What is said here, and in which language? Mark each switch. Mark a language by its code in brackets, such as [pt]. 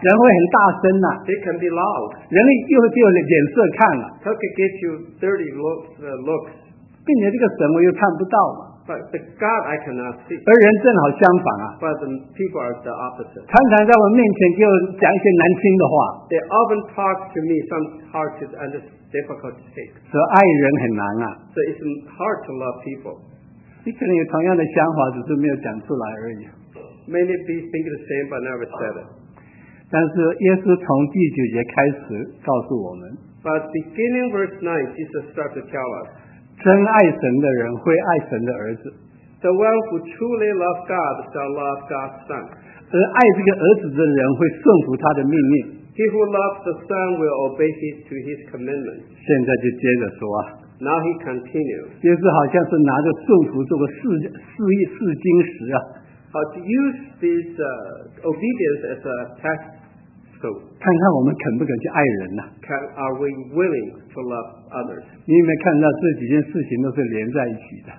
[zh] 人会很大声啊, [en] they can be loud. [zh] 人又有脸色看啊, [en] so can get you dirty looks, looks. [zh] 并且这个神我又看不到嘛, [en] but the God I cannot see. [zh] 而人正好相反啊, [en] but the people are the opposite. [zh] 常常在我面前就讲一些难听的话, [en] they often talk to me some hard to understand. Difficult to take. [zh] So 爱人很难啊, [en] so it's hard to love people. [zh] 你可能有同样的想法, 只是没有讲出来而已。 [en] Many people think the same but never said it. [zh] 但是耶稣从第九节开始告诉我们, [en] but beginning verse 9, Jesus started to tell us, [zh] 真爱神的人会爱神的儿子。 [en] The one who truly loves God shall love God's son. [zh] 而爱这个儿子的人会顺服他的命令。 [en] He who loves the Son will obey his to his commandments. [zh] 现在就接着说啊, [en] now he continues. [zh] 就是好像是拿着祝福做个试金石啊, [en] how to use this obedience as a test scope. [zh] 看看我们肯不肯去爱人啊, [en] are we willing to love others? [zh] 你有没有看到这几件事情都是连在一起的?